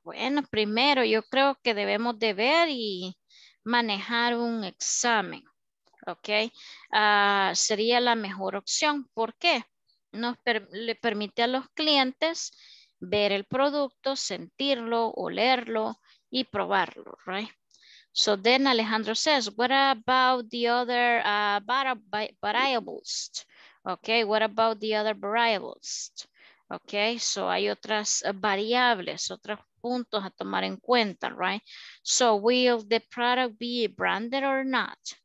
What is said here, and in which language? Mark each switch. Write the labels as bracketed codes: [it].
[es] Bueno, primero yo creo que debemos de ver y manejar un examen, ¿ok? Sería la mejor opción. ¿Por qué? Le permite a los clientes ver el producto, sentirlo, olerlo y probarlo, ¿right? [en] So then Alejandro says, what about the other variables? Okay, what about the other variables? [es] Okay, so hay otras variables, otros puntos a tomar en cuenta, right? [en] So will the product be branded or not?